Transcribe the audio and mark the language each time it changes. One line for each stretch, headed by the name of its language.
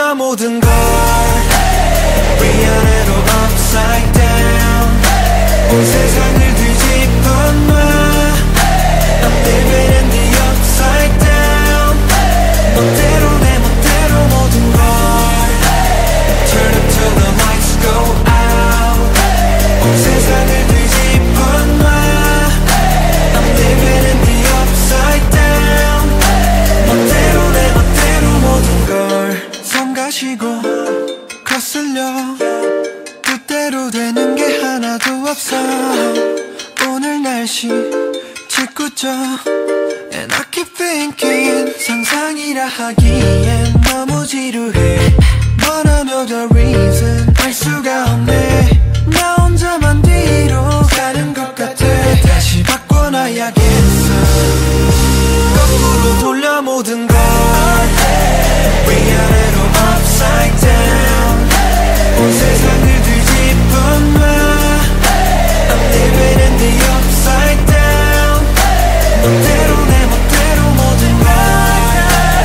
Korean: 모든 걸 hey! 위아래로
English: upside down
Korean: hey! 온 세상을 뒤집어 놔 hey!
English: I'm living in the upside down hey!
Korean: 멋대로 내 멋대로 모든 걸 hey!
English: Turn up till the lights go out hey!
Korean: 온 세상을 뒤집어 놔 hey!
English: I'm living in the upside down hey!
Korean: 멋대로 내 멋대로 모든 걸 가시고 거슬려 뜻대로 되는 게 하나도 없어 오늘 날씨 짓궂죠
English: And I keep thinking
Korean: 상상이라 하기엔 너무 지루해
English: But I know the reason
Korean: 알 수가 없네 나 혼자만 뒤로 가는 것 같아 다시 바꿔놔야겠어 거꾸로 돌려 모든 걸 위아래로
English: upside down
Korean: hey! 온 세상을 뒤집어 놔 hey!
English: I'm living in the upside down hey!
Korean: 멋대로 내 멋대로 모든 걸 hey!